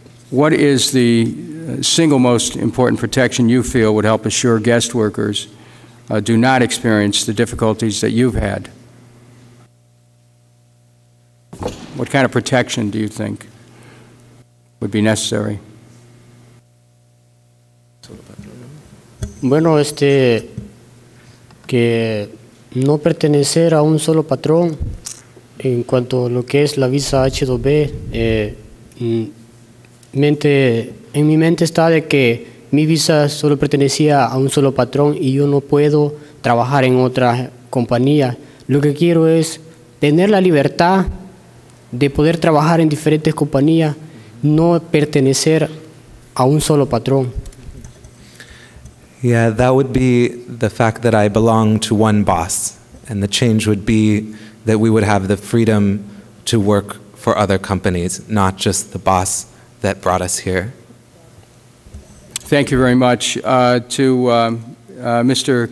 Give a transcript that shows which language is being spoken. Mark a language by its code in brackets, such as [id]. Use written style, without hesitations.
[en] What is the single most important protection you feel would help assure guest workers do not experience the difficulties that you've had? What kind of protection do you think would be necessary? [es] Bueno, que no pertenecer a un solo patrón en cuanto a lo que es la visa H2B, en mi mente está de que mi visa solo pertenecía a un solo patrón y yo no puedo trabajar en otra compañía. Lo que quiero es tener la libertad de poder trabajar en diferentes compañías, no pertenecer a un solo patrón. [en] Yeah, that would be the fact that I belong to one boss, and the change would be that we would have the freedom to work for other companies, not just the boss that brought us here. Thank you very much. To Mr.